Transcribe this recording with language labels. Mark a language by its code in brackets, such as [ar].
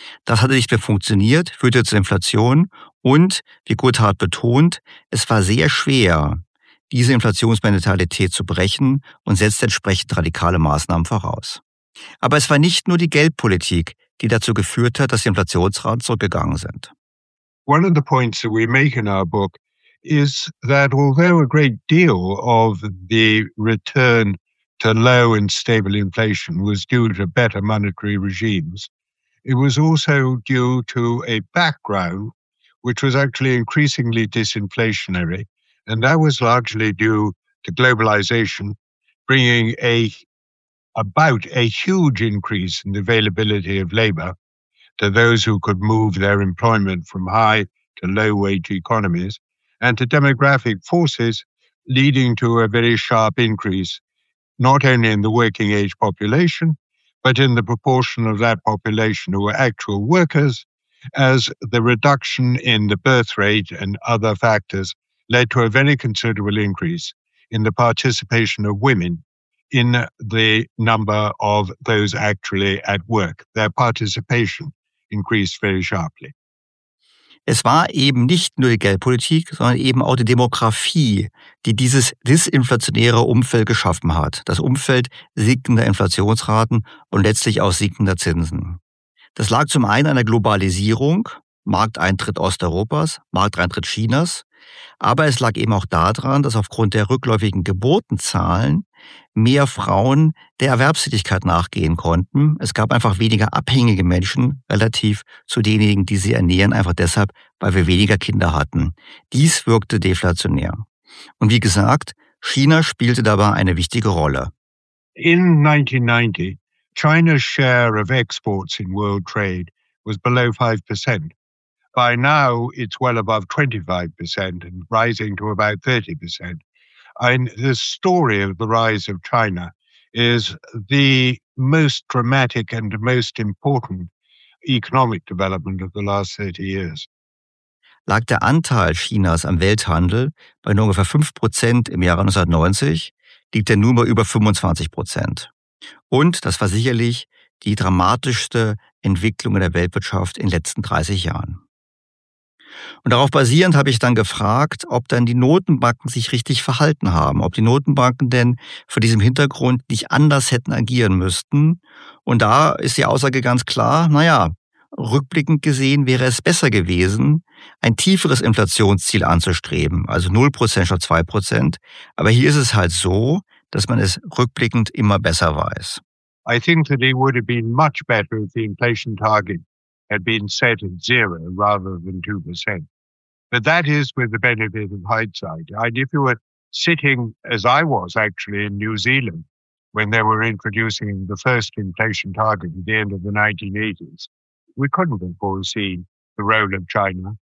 [de] Das hatte nicht mehr funktioniert, führte zur Inflation und, wie Goodhart betont, es war sehr schwer, diese Inflationsmentalität zu brechen und setzte entsprechend radikale Maßnahmen voraus. Aber es war nicht nur die Geldpolitik, die dazu geführt hat, dass die Inflationsraten zurückgegangen sind. [en] One of the points that we make in our book is that although a great deal of the return to low and stable inflation was due to better monetary regimes, it was also due to a background which was actually increasingly disinflationary, and that was largely due to globalization bringing about a huge increase in the availability of labor to those who could move their employment from high to low wage economies, and to demographic forces leading to a very sharp increase, not only in the working age population, but in the proportion of that population who were actual workers, as the reduction in the birth rate and other factors led to a very considerable increase in the participation of women in the number of those actually at work. Their participation increased very sharply. [de] Es war eben nicht nur die Geldpolitik, sondern eben auch die Demografie, die dieses disinflationäre Umfeld geschaffen hat. Das Umfeld sinkender Inflationsraten und letztlich auch sinkender Zinsen. Das lag zum einen an der Globalisierung, Markteintritt Osteuropas, Markteintritt Chinas. Aber es lag eben auch daran, dass aufgrund der rückläufigen Geburtenzahlen mehr Frauen der Erwerbstätigkeit nachgehen konnten. Es gab einfach weniger abhängige Menschen relativ zu denjenigen, die sie ernähren, einfach deshalb, weil wir weniger Kinder hatten. Dies wirkte deflationär. Und wie gesagt, China spielte dabei eine wichtige Rolle. [en] In 1990, China's share of exports in world trade was below 5%. By now, it's well above 25% and rising to about 30%. And the story of the rise of China is the most dramatic and most important economic development of the last 30 years. [de] Lag der Anteil Chinas am Welthandel bei nur ungefähr 5% im Jahre 1990, liegt er nun bei über 25%. Und das war sicherlich die dramatischste Entwicklung in der Weltwirtschaft in den letzten 30 Jahren. Und darauf basierend habe ich dann gefragt, ob dann die Notenbanken sich richtig verhalten haben, ob die Notenbanken denn vor diesem Hintergrund nicht anders hätten agieren müssten. Und da ist die Aussage ganz klar, naja, rückblickend gesehen wäre es besser gewesen, ein tieferes Inflationsziel anzustreben, also 0% statt 2%. Aber hier ist es halt so, dass man es rückblickend immer besser weiß. [en] I think that it would have been much better if the inflation target had been set at zero rather than 2%. But that is with the benefit of hindsight. And if you were sitting, as I was actually, in New Zealand when they were introducing the first inflation target at the end of the 1980s, we couldn't have foreseen the role of China.